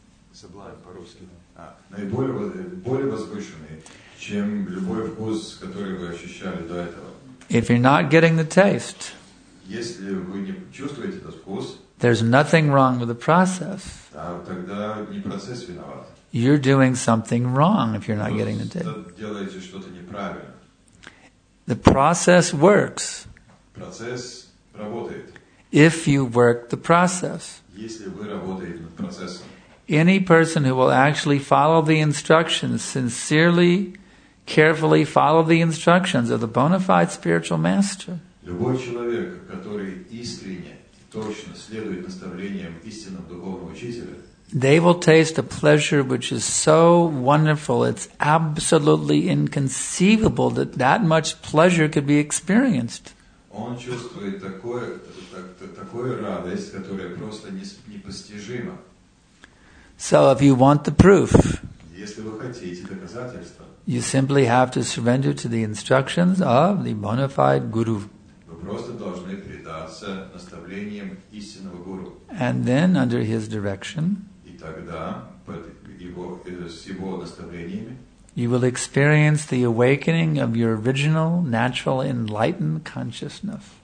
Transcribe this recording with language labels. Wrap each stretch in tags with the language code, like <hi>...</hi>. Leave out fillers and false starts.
<ru>Более возвышенный, чем любой вкус, который вы ощущали до этого.</ru> <en>If you're not getting the taste,</en> <ru>если вы не чувствуете этот вкус,</ru> <en>there's nothing wrong with the process.</en> <ru>Тогда не процесс виноват.</ru> <en>You're doing something wrong if you're not getting the taste.</en> <ru>Делаете что-то неправильно.</ru> <en>The process works.</en> <ru>Процесс работает.</ru> <en>If you work the process.</en> <ru>Если вы работаете над процессом.</ru> <en>Any person who will actually follow the instructions, sincerely, carefully follow the instructions of the bona fide spiritual master.</en> <ru>Любой человек, который искренне, точно следует наставлениям истинного духовного учителя,</ru> <en>they will taste a pleasure which is so wonderful, it's absolutely inconceivable that that much pleasure could be experienced.</en> <ru>Он чувствует такую радость, которая просто непостижима.</ru> <en>So if you want the proof,</en> <ru>если вы хотите доказательства,</ru> <en>you simply have to surrender to the instructions of the bona fide guru.</en> <ru>Вы просто должны предаться наставлениям истинного гуру.</ru> <en>And then under his direction,</en> <ru>и тогда под его, с его наставлениями,</ru> <en>you will experience the awakening of your original, natural, enlightened consciousness.</en>